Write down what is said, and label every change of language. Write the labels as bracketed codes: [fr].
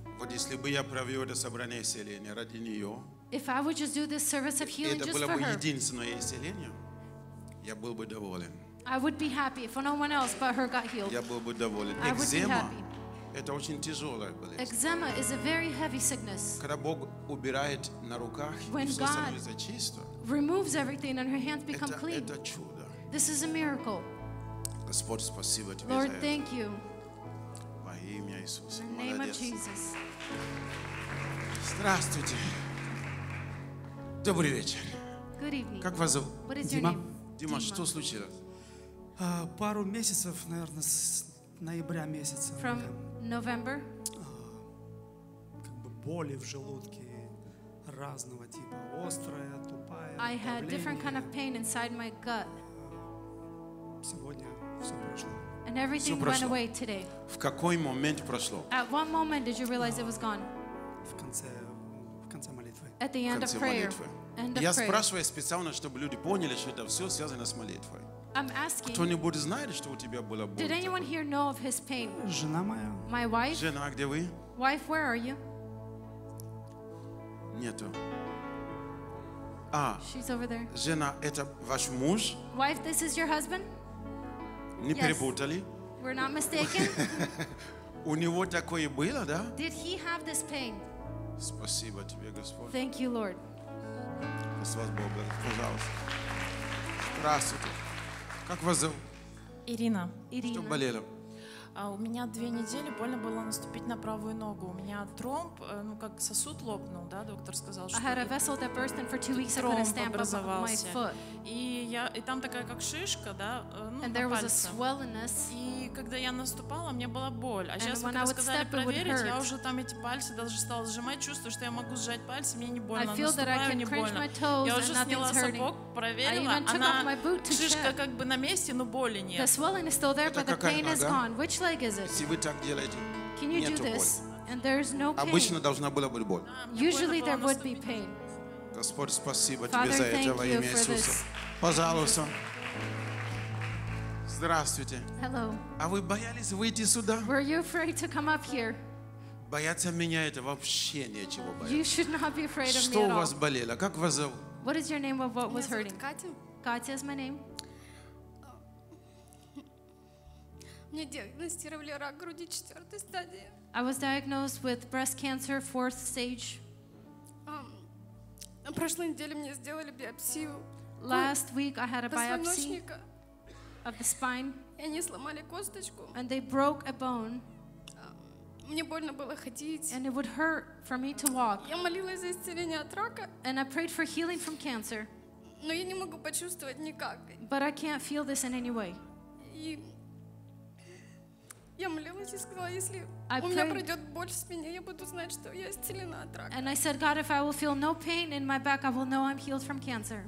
[ru] Вот если бы я провел это собрание исцеления ради нее, [en] if I would just do this service of healing just for her, [ru] это было бы единственное исцеление, я был бы доволен. [en] I would be happy if no one else but her got healed. [ru] Я был бы доволен. Экзема, это очень тяжелая болезнь. [en] Eczema is a very heavy sickness. [ru] Когда Бог убирает на руках, [en] when God removes everything and her hands become clean, [ru] это чудо. [en] This is a miracle. [ru] Господь, спасибо тебе. [en] Lord, thank you. [ru] Во имя Иисуса. [en] In the name of Jesus. [ru] Здравствуйте. Добрый вечер. [en] Good evening. [ru] Как вас зовут? [en] What is [ru] Дима? [en] Your name? [ru] Дима, что случилось? Пару месяцев, наверное, с ноября месяца. [en] From November. [ru] Как бы боли в желудке разного типа, острая, тупая. [en] I [ru] давление. [en] Had different kind of pain inside my gut. [ru] Сегодня все прошло. [en] And everything [ru] прошло. [en] Went away today. [ru] В какой момент прошло? [en] At what moment did you realize it was gone? [ru] В конце молитвы. [en] At the end of prayer. [ru] Молитвы. [en] End of [ru] Я [en] prayer. [ru] Спрашиваю специально, чтобы люди поняли, что это все связано с молитвой. [en] I'm asking. [ru] Кто-нибудь знает, что у тебя была боль? [en] Did anyone here know of his pain? [ru] Жена моя. [en] My wife. [ru] Жена, где вы? [en] Wife, where are you? [ru] Нету. [en] She's over there. [ru] Жена, это ваш муж? [en] Wife, this is your husband? [ru] Не перепутали? [en] We're not mistaken. [ru] У него такое было, да? [en] Did he have this pain? [ru] Спасибо тебе, Господь. [en] Thank you, Lord. [ru] Здравствуйте. Как вас зовут? Ирина. Что болело? У меня две недели больно было наступить на правую ногу. У меня тромб, ну как сосуд лопнул, да, доктор сказал, что. [en] I had a vessel that burst and for two weeks I couldn't stand up on my foot. [ru] И там такая как шишка, да, ну, [en] and there was a swellness. [ru] И когда я наступала, мне была боль. А сейчас, когда сказали проверить, я уже там эти пальцы даже стала сжимать, чувствую, что я могу сжать пальцы, мне не больно. [en] I feel that I can crunch my toes. [ru] Я уже сняла сапог, проверила, она шишка как бы на месте, но боли нет. [en] The swelling is still there, but the pain is gone. Which leg is it? Can you do this? And there is no pain. [ru] Обычно должна была быть боль. [en] Usually there would be pain. [ru] Господь, спасибо тебе за это во имя Иисуса. Пожалуйста. Здравствуйте. [en] Hello. [ru] А вы боялись выйти сюда? [en] Were you afraid to come up here? [ru] Бояться меня это вообще нечего бояться. [en] You should not be afraid of me at all. [ru] Что у вас болело? Как вас зовут? [en] What is your name? What was hurting? [ru] Катя. [en] Катя is my name. [ru] Мне диагностировали рак груди четвертой стадии. [en] I was diagnosed with breast cancer fourth stage. [ru] На прошлой неделе мне сделали биопсию. [en] Last week I had a biopsy of the spine. [ru] И они сломали косточку. [en] And they broke a bone. [ru] Мне больно было ходить. [en] And it would hurt for me to walk. [ru] Я молилась за исцеление от рака. [en] And I prayed for healing from cancer. [ru] Но я не могу почувствовать никак. [en] But I can't feel this in any way. [ru] Я молилась и сказала, если у меня пройдет боль в спине, я буду знать, что я исцелена от рака. [en] And I said, God, if I will feel no pain in my back, I will know I'm healed from cancer.